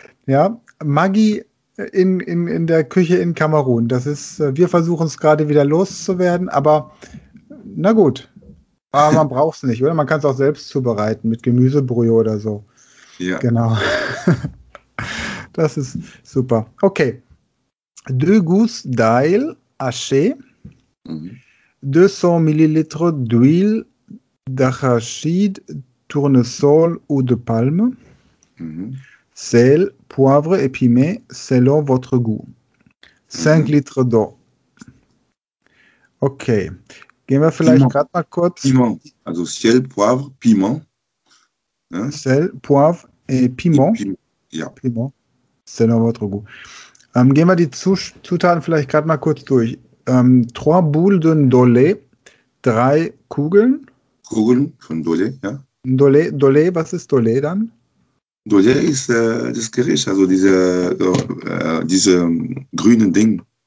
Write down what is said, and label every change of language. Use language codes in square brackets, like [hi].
[de] Ja, Maggi in der Küche in Kamerun. Das ist, wir versuchen es gerade wieder loszuwerden, aber na gut. Aber man braucht es nicht, oder? Man kann es auch selbst zubereiten mit Gemüsebrühe oder so. Ja. Genau. Das ist super. Okay. [fr] Deux gousses d'ail hachées, 200 ml d'huile d'arachide, tournesol ou de palme, sel, poivre et piment selon votre goût. 5 litres d'eau. [de] Okay, gehen wir vielleicht gerade mal kurz. [fr] Piment, also sel, poivre, piment. Sel, poivre et piment. Piment, selon votre goût. [de] Gehen wir die Zutaten vielleicht gerade mal kurz durch. [fr] 3 boules de ndolé, [de] 3 Kugeln. Kugeln von Dolé, ja. Ndolé, was ist Dolé dann? Dolé ist das Gericht, also diese grünen Ding.